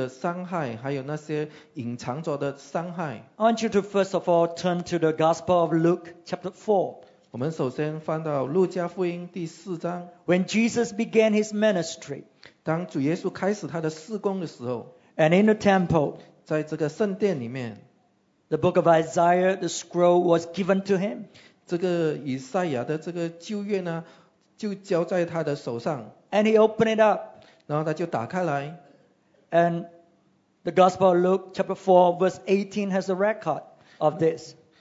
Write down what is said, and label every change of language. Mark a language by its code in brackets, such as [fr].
[zh] 所以今天早上我们要更深一层的来看，关于这个医治从我们过去的伤害，还有那些隐藏着的伤害。 [en] I want you to first of all turn to the Gospel of Luke chapter 4. [zh] 我们首先翻到路加福音第四章。 [en] When Jesus began his ministry, [zh] 当主耶稣开始他的事工的时候， [en] and in the temple, [zh] 在这个圣殿里面， [en] the book of Isaiah, the scroll was given to him. [zh] 这个以赛亚的这个旧约呢， 就交在他的手上， [en] and he opened it up. [zh] 然后他就打开来， [en] and the Gospel of Luke chapter 4 verse 18 has a record of this.